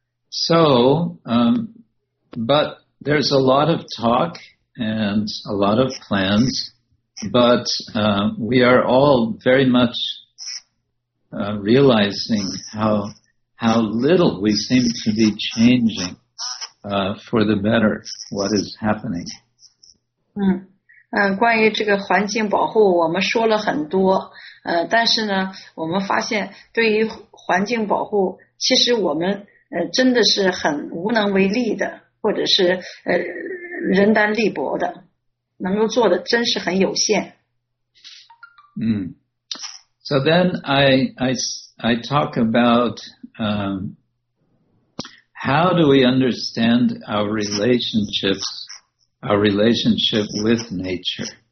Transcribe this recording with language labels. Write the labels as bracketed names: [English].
[English] So, but there's a lot of talk and a lot of plans, but we are all very much realizing how little we seem to be changing for the better what is happening. [Chinese] 关于这个环境保护我们说了很多，但是呢，我们发现对于环境保护，其实我们 真的是很无能为力的，或者是人单力薄的，能够做的真是很有限。 [English] So then I talk about how do we understand our relationship with nature.